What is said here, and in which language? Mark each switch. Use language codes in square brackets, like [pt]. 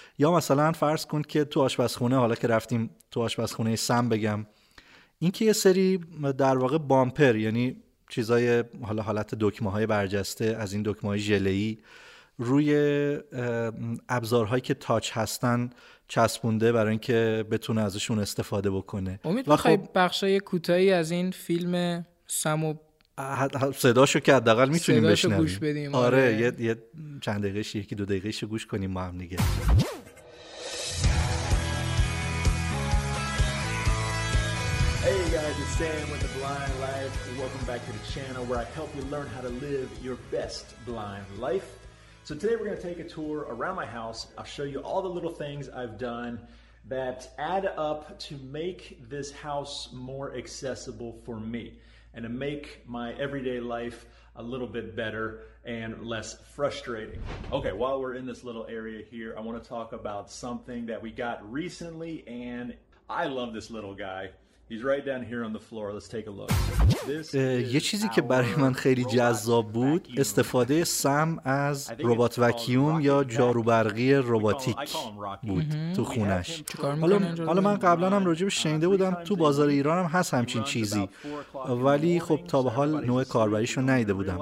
[fa] یا مثلا فرض کن که تو آشپزخونه، حالا که رفتیم تو آشپزخونه سم بگم، این که یه سری در واقع بامپر، یعنی چیزای حالا حالت دکمه های برجسته از این دکمه های ژله‌ای روی ابزارهایی که تاچ هستن چسبونده برای اینکه بتونه ازشون استفاده بکنه. امید میخوای بخشای کوتاهی از این فیلم سمو صداشو که حداقل میتونیم بشنویم، صداشو گوش بدیم؟ آره، یه چند دقیقه، یکی دو دقیقه شو گوش کنیم ما هم دیگه. [en] Hey guys, it's Sam with the Blind Life. Welcome back to the channel where I help you learn how to live your best blind life. So today we're going to take a tour around my house. I'll show you all the little things I've done that add up to make this house more accessible for me and to make my everyday life a little bit better and less frustrating. Okay, while we're in this little area here, I want to talk about something that we got recently, and I love this little guy. He's right down here on the floor. Let's take a look. [fa] یه چیزی که برای من خیلی جذاب بود استفاده سم از ربات وکیوم یا جاروبرقی رباتیک بود تو خونش. حالا من قبلا هم راجبش شنیده بودم، تو بازار ایران هم هست همچین چیزی ولی خب تا به حال نوع کاربریشو ندیده بودم.